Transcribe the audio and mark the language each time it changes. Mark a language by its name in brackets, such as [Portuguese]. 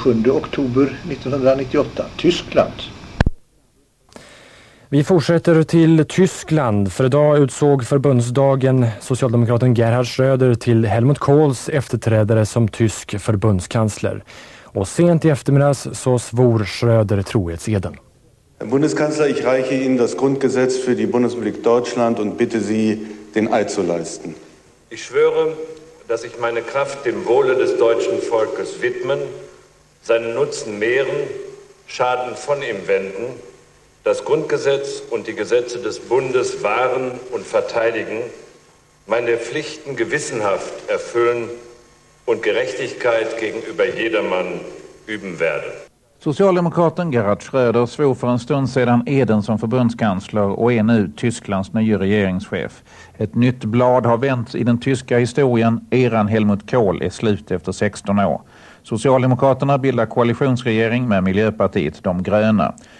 [Swedish] oktober 1998, Tyskland. Vi fortsätter till Tyskland. För idag utsåg förbundsdagen socialdemokraten Gerhard Schröder till Helmut Kohls efterträdare som tysk förbundskansler. Och sent i eftermiddags så svor Schröder trohetseden. [German] Herr Bundeskanzler, ich reiche Ihnen das Grundgesetz für die Bundesrepublik Deutschland und bitte Sie, den Eid zu leisten. Ich schwöre, dass ich meine Kraft dem Wohle des deutschen Volkes widmen, seinen Nutzen mehren, Schaden von ihm wenden, das Grundgesetz und die Gesetze des Bundes wahren und verteidigen, meine Pflichten gewissenhaft erfüllen und Gerechtigkeit gegenüber jedermann üben werde. [Swedish] Socialdemokraten Gerhard Schröder svor för en stund sedan eden som förbundskansler och är nu Tysklands nya regeringschef. Ett nytt blad har vänts i den tyska historien. Eran Helmut Kohl är slut efter 16 år. Socialdemokraterna bildar koalitionsregering med Miljöpartiet, de gröna.